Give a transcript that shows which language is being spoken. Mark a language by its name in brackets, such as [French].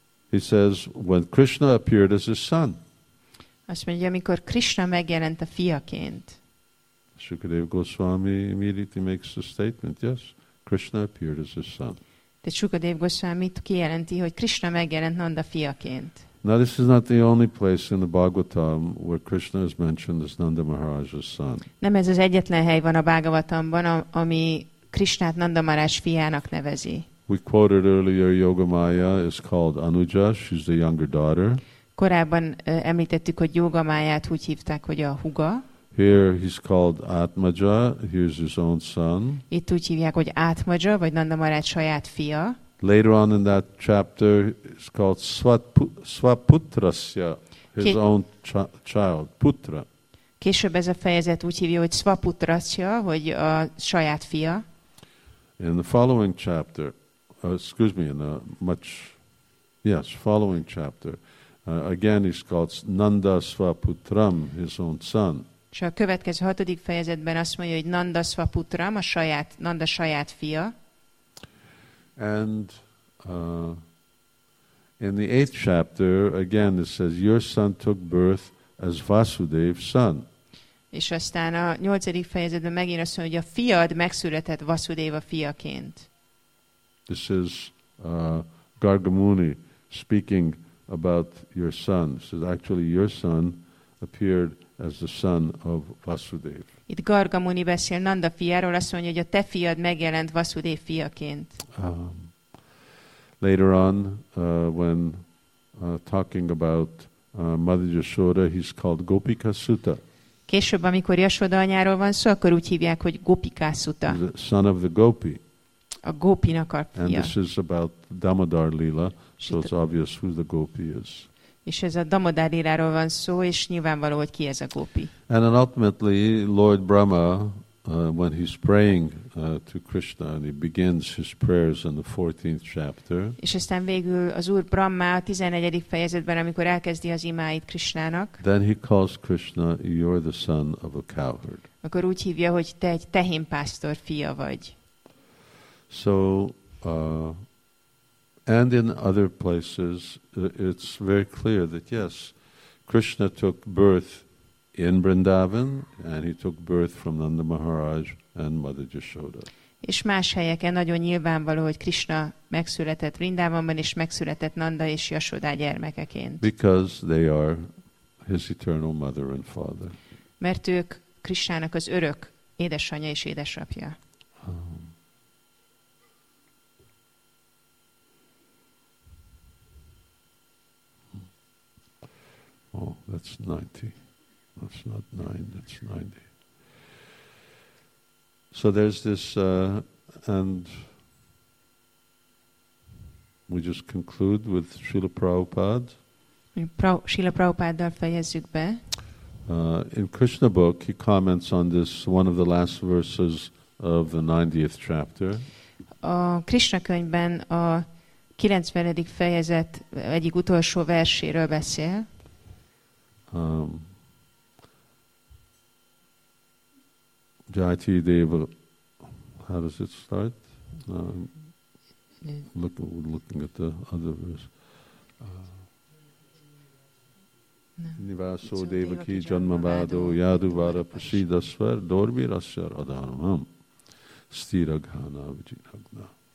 [English] He says, when Krishna appeared as his son. [Hungarian] Azt mondja, amikor Krishna megjelent a fiaként. [English] Sukadev Goswami immediately makes the statement, yes, Krishna appeared as his son. [Hungarian] De Sukadev Goswami kijelenti, hogy Krishna megjelent Nanda fiaként. [English] Now this is not the only place in the Bhagavatam where Krishna is mentioned as Nanda Maharaj's son. [Hungarian] Nem ez az egyetlen hely van a Bhagavatamban, ami Krishnát Nanda Maharaj fiának nevezi. [English] We quoted earlier Yogamaya is called Anuja, she's the younger daughter. [Hungarian] Korábban említettük, hogy Yogamayát úgy hívták, hogy a huga. [English] Here he's called Atmaja, here's his own son. [Hungarian] Itt úgy hívják, hogy Atmaja, vagy Nanda Maharaj saját fia. [English] Later on in that chapter it's called Swaputrasya, his own child, putra. [Hungarian] Később ez a fejezet úgy hívja, hogy Svaputrasya, hogy a saját fia. [English] In the following chapter, excuse me, in a much, yes, following chapter, Again, he's called Nandasvaputram, his own son. [Hungarian] És a következő hatodik fejezetben azt mondja, hogy Nandasvaputram, a saját, Nanda saját fia. [English] And in the eighth chapter, again, it says, your son took birth as Vasudev's son. [Hungarian] És aztán a nyolcadik fejezetben megint azt mondja, hogy a fiad megszületett Vasudeva fiaként. [English] This is Gargamuni speaking about your son. It says, actually, your son appeared as the son of Vasudev. [Hungarian] Itt Gargamuni beszél Nanda fiáról, azt mondja, hogy a te fiad megjelent Vasudev fiaként. [English] Later on, when talking about Mother Yashoda, he's called Gopika Sutta. [Hungarian] Később, amikor Yashoda anyáról van szó, akkor úgy hívják, hogy Gopika Sutta. [English] The son of the Gopi. [Hungarian] A Gopinak a fia. [English] And this is about Damodar Lila, so it's obvious who the Gopi is. [Hungarian] És ez a Damodar Liláról van szó, és nyilvánvaló, hogy ki ez a Gopi. [English] And then ultimately, Lord Brahma, when he's praying to Krishna, and he begins his prayers in the 14th chapter. [Hungarian] És aztán végül az Úr Brahma a 14. fejezetben, amikor elkezdi az imáit Krishnának. [English] Then he calls Krishna, you're the son of a cowherd. [Hungarian] Akkor úgy hívja, hogy te egy tehénpásztor fia vagy. [English] So, and in other places, it's very clear that yes, Krishna took birth in Vrindavan, and he took birth from Nanda Maharaj and Mother Yashoda. [Hungarian] És más helyeken nagyon nyilvánvaló, hogy Krishna megszületett Vrindavanban, és megszületett Nanda és Yashoda gyermekeként. [English] Because they are his eternal mother and father. [Hungarian] Mert ők Krishnának az örök édesanyja és édesapja. [English] Oh, that's 90. That's not 9, that's 90. So there's this, and we just conclude with Srila Prabhupada. [Hungarian] Srila Prabhupada-dal fejezzük be. [English] In Krishna book, he comments on this, one of the last verses of the 90th chapter. [Hungarian] A Krishna könyvben a 90. fejezet egyik utolsó verséről beszél. [English] Jayati Deva, how does it start? Looking at the other verse. [Sanskrit] Nivaso Devaki Janmavado Yaduvara Prasidasvar Dorvirasyar Adharamam Stiraghana Vijinagna.